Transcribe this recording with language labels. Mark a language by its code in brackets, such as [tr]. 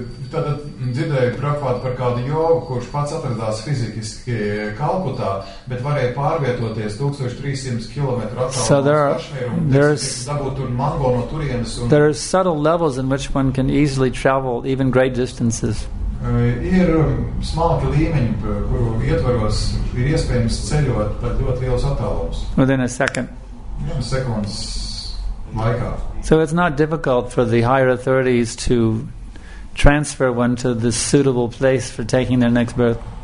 [lv] Dzirdēju Prabhupada par kādu jogu, kurš pats atradās fiziski Kalkutā, bet varēja pārvietoties 1300 km attālumā Kašmīrā un dabūt tur mango no turienes. [en] There are subtle levels in which one can easily travel even great distances. [lv] Ir smalki līmeņi, kuru ietvaros ir iespējams ceļot pat ļoti lielus attālumus. Within a second. Sekundes laikā. [en] So it's not difficult for the higher authorities to transfer one to the suitable place for taking their next birth.